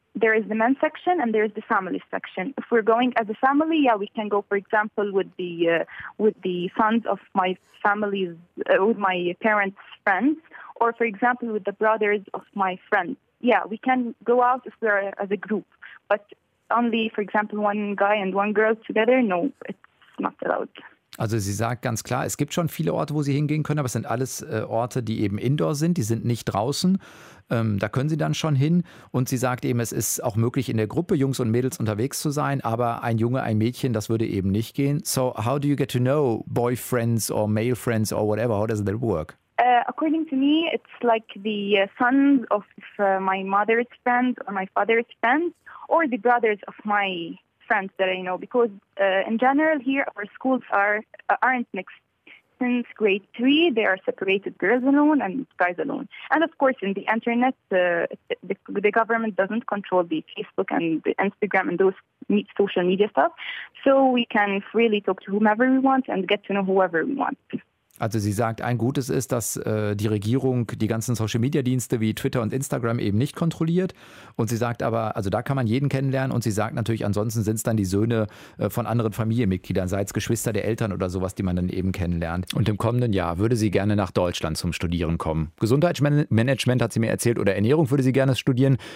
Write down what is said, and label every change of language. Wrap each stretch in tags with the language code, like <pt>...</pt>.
<en>There is the men's section and there is the family section. If we're going as a family, yeah, we can go, for example, with the sons of my family's, with my parents' friends, or, for example, with the brothers of my friends. Yeah, we can go out if we're as a group, but only, for example, one guy and one girl together, no, it's not allowed.</en> <de>Also sie sagt ganz klar, es gibt schon viele Orte, wo sie hingehen können, aber es sind alles Orte, die eben indoor sind, die sind nicht draußen. Da können sie dann schon hin. Und sie sagt eben, es ist auch möglich, in der Gruppe Jungs und Mädels unterwegs zu sein, aber ein Junge, ein Mädchen, das würde eben nicht gehen.</de> <en>So how do you get to know boyfriends or male friends or whatever? How does that work? According to me, it's like the sons of my mother's friends or my father's friends or the brothers of my friends that I know, because in general here our schools aren't mixed. Since grade 3, they are separated, girls alone and guys alone. And of course, in the internet, the government doesn't control the Facebook and the Instagram and those social media stuff. So we can freely talk to whomever we want and get to know whoever we want.</en> <de>Also sie sagt, ein Gutes ist, dass die Regierung die ganzen Social-Media-Dienste wie Twitter und Instagram eben nicht kontrolliert. Und sie sagt aber, also da kann man jeden kennenlernen. Und sie sagt natürlich, ansonsten sind es dann die Söhne von anderen Familienmitgliedern, sei es Geschwister der Eltern oder sowas, die man dann eben kennenlernt. Und im kommenden Jahr würde sie gerne nach Deutschland zum Studieren kommen. Gesundheitsmanagement, hat sie mir erzählt, oder Ernährung würde sie gerne studieren.</de>